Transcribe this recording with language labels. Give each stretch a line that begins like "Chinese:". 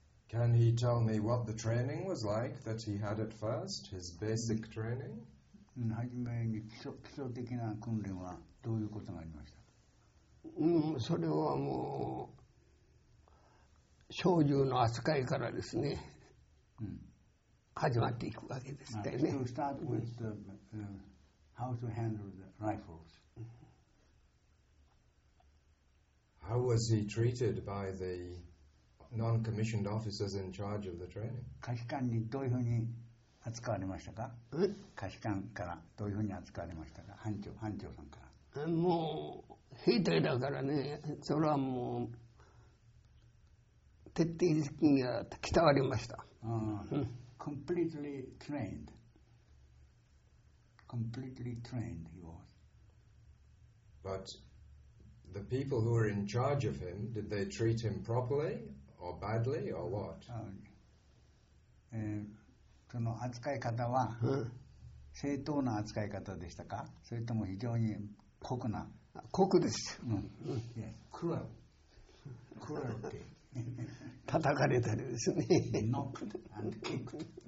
English: Can he tell me what the training was like that he had at first, his basic training?
Japanese: 初めに基礎的な訓練はどういうことがありました？うん、それはもう小銃の扱いからですね、うん、始まっていくわけですからね。
English: To start with the, how to handle the rifles. How was he treated by the non-commissioned officers in charge of the training?
Japanese: 下士官にどういうふうに扱われましたか？下士官からどういうふうに扱われましたか？班長さんから。もう兵隊だからね、それはもう徹底的に鍛われました。
English: Completely trained. Completely trained he was. But the people who were in charge of him, did they treat him properly or badly or what?
Japanese: その扱い方は正当な扱い方でしたか？それとも非常に酷な、酷です。クラル。クラルって。叩かれたりですね。ノック。キック。